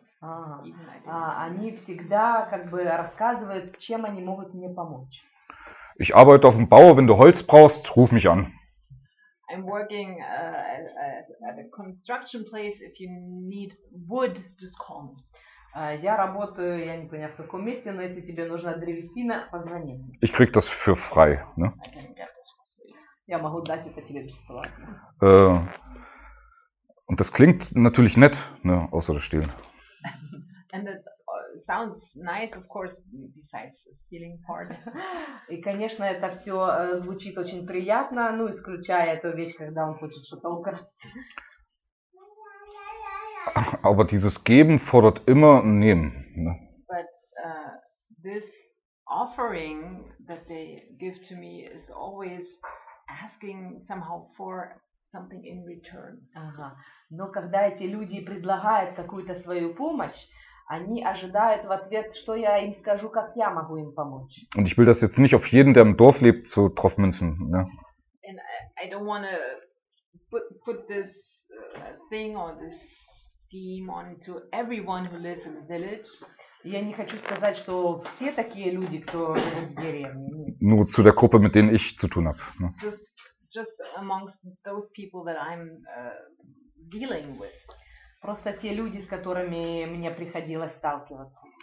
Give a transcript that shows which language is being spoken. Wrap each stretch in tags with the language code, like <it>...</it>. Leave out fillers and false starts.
<ru>Они всегда как бы рассказывают, чем они могут мне помочь.</ru> <de>Ich arbeite auf dem Bau, wenn du Holz brauchst, ruf mich an.</de> <en>I'm working at a construction place. If you need wood, just call me.</en> <ru>Я работаю, я не понимаю, в каком месте, но если тебе нужна древесина, позвони мне.</ru> <de>Ich krieg das für frei, ne?</de> <ru>Я могу дать это тебе бесплатно.</ru> <de>Und das klingt natürlich nett, ne, außer das Stehlen.</de> <en>And it sounds nice, of course, besides the stealing part.</en> <ru>И, конечно, это все звучит очень приятно, ну, исключая эту вещь, когда он хочет что-то украсть.</ru> <de>Aber dieses Geben fordert immer ein Nehmen. Ne?</de> <en>But this offering that they give to me is always asking somehow for something in return.</en> <ru>Ага. Но когда эти люди предлагают какую-то свою помощь, они ожидают в ответ, что я им скажу, как я могу им помочь.</ru> <de>Und ich will das jetzt nicht auf jeden, der im Dorf lebt, so drauf münzen. Ne?</de> <en>And I don't want to put this thing or this team on to everyone who lives in the village.</en> <ru>Я не хочу сказать, что все такие люди, кто живет в деревне.</ru> <de>Nur zu der Gruppe, mit denen ich zu tun habe. Ne?</de> <en>Just amongst those people that I'm dealing with.</en> <ru>Просто те люди, с которыми мне приходилось сталкиваться.</ru>